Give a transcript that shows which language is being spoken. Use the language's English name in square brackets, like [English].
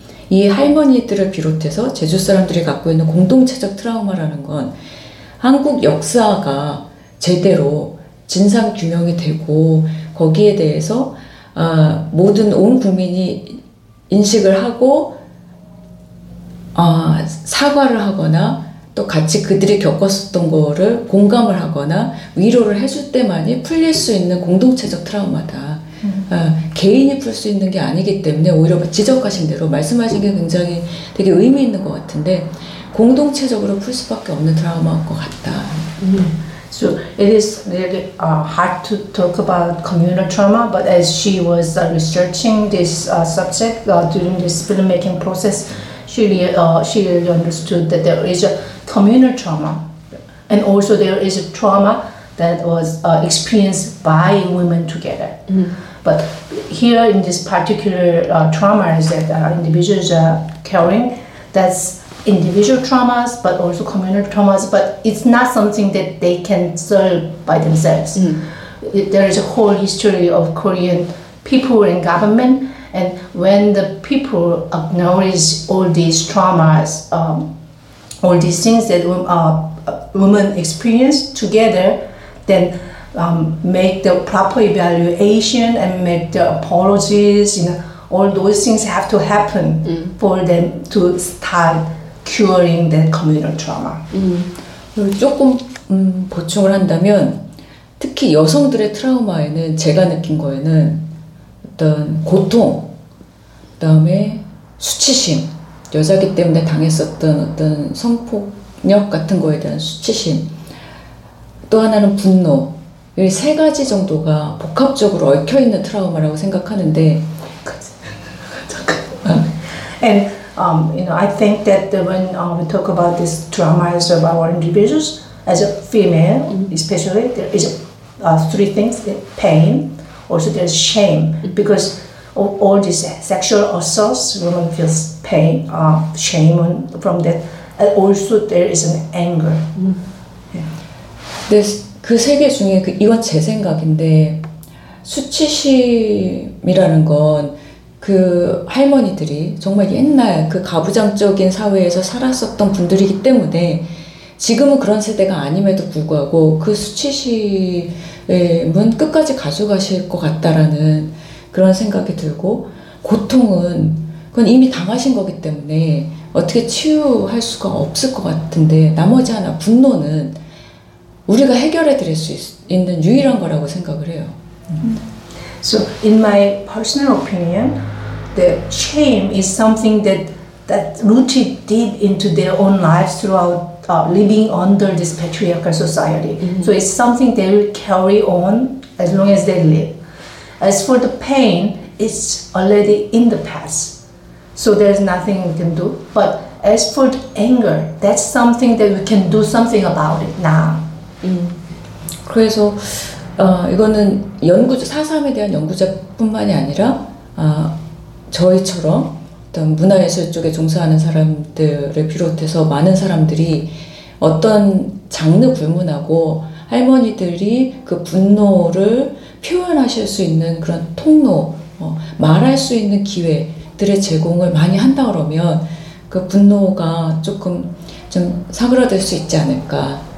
[Korean] 이 할머니들을 비롯해서 제주 사람들이 갖고 있는 공동체적 트라우마라는 건 한국 역사가 제대로 진상 규명이 되고, 거기에 대해서 모든 온 국민이 인식을 하고 사과를 하거나 또 같이 그들이 겪었었던 거를 공감을 하거나 위로를 해줄 때만이 풀릴 수 있는 공동체적 트라우마다. 개인이 풀 수 있는 게 아니기 때문에 오히려 지적하신 대로 말씀하신 게 굉장히 되게 의미 있는 것 같은데, 공동체적으로 풀 수밖에 없는 드라마인 것 같다. [English] So it is really hard to talk about communal trauma, but as she was researching this subject during this filmmaking process, she really understood that there is a communal trauma, and also there is a trauma that was experienced by women together. Mm. But here in this particular trauma is that individuals are carrying, that's individual traumas, but also communal traumas, but it's not something that they can solve by themselves. Mm. There is a whole history of Korean people and government, and when the people acknowledge all these traumas, all these things that women experience together, then make the proper evaluation and make the apologies, you know, all those things have to happen for them to start curing that communal trauma. [Korean] 조금 보충을 한다면, 특히 여성들의 트라우마에는 제가 느낀 거에는 어떤 고통, 그다음에 수치심, 여자기 때문에 당했었던 어떤 성폭력 같은 거에 대한 수치심, 또 하나는 분노, 이 세 가지 정도가 복합적으로 얽혀 있는 트라우마라고 생각하는데. [English] And you know, I think that when we talk about this traumas of our individuals as a female, especially there is three things: pain, also there's shame, because of all these sexual assaults, women feels pain, shame from that, and also there is an anger. [Korean] 근데 그 세 개 중에 그 이건 제 생각인데 수치심이라는 건 그 할머니들이 정말 옛날 그 가부장적인 사회에서 살았었던 분들이기 때문에 지금은 그런 세대가 아님에도 불구하고 그 수치심은 끝까지 가져가실 것 같다라는 그런 생각이 들고 고통은 그건 이미 당하신 거기 때문에 어떻게 치유할 수가 없을 것 같은데 나머지 하나 분노는 우리가 해결해 드릴 수 있는 유일한 거라고 생각을 해요. [English] So in my personal opinion, the shame is something that rooted deep into their own lives throughout living under this patriarchal society. So it's something they will carry on as long as they live. As for the pain, it's already in the past. So there's nothing we can do. But as for the anger, that's something that we can do something about it now. [Korean] 그래서 이거는 연구 사상에 대한 연구자뿐만이 아니라 저희처럼 어떤 문화예술 쪽에 종사하는 사람들을 비롯해서 많은 사람들이 어떤 장르 불문하고 할머니들이 그 분노를 표현하실 수 있는 그런 통로 말할 수 있는 기회들의 제공을 많이 한다 그러면 그 분노가 조금 좀 사그라들 수 있지 않을까.